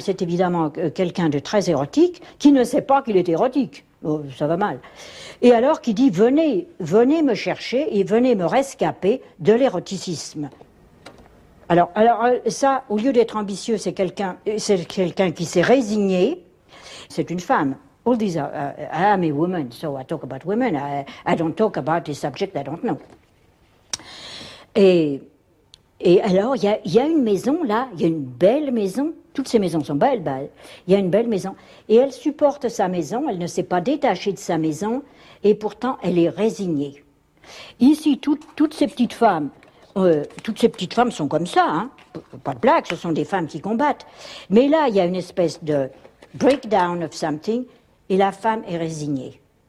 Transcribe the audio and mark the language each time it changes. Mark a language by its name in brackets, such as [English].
[French] C'est évidemment quelqu'un de très érotique qui ne sait pas qu'il est érotique. Oh, ça va mal. Et alors qui dit « Venez, venez me chercher et venez me rescaper de l'éroticisme. » Alors ça, au lieu d'être ambitieux, c'est quelqu'un qui s'est résigné. C'est une femme. [English] All these are, I'm a woman, so I talk about women. I don't talk about a subject I don't know. [French] Et alors, il y a une maison là, il y a une belle maison, toutes ces maisons sont belles, il y a une belle maison, et elle supporte sa maison, elle ne s'est pas détachée de sa maison, et pourtant elle est résignée. Ici, toutes ces petites femmes sont comme ça, hein, pas de blague, ce sont des femmes qui combattent, mais là, il y a une espèce de [English] breakdown of something, [French] et la femme est résignée.